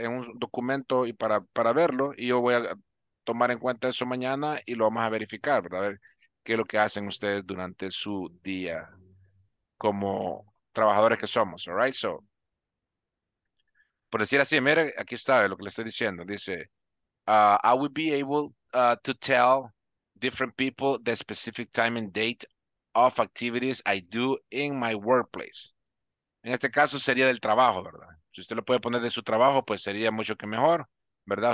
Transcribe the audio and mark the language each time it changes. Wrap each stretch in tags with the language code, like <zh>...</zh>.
<es>En un documento y para verlo. Y yo voy a tomar en cuenta eso mañana y lo vamos a verificar, ¿verdad? A ver qué es lo que hacen ustedes durante su día como trabajadores que somos,</es> <en>all right? So,</en> <es>por decir así, mire, aquí está lo que le estoy diciendo.</es> <en>Dice, I will be able to tell different people the specific time and date of activities I do in my workplace.</en> <es>En este caso sería del trabajo, ¿verdad? Si usted lo puede poner de su trabajo, pues sería mucho que mejor, ¿verdad?</es>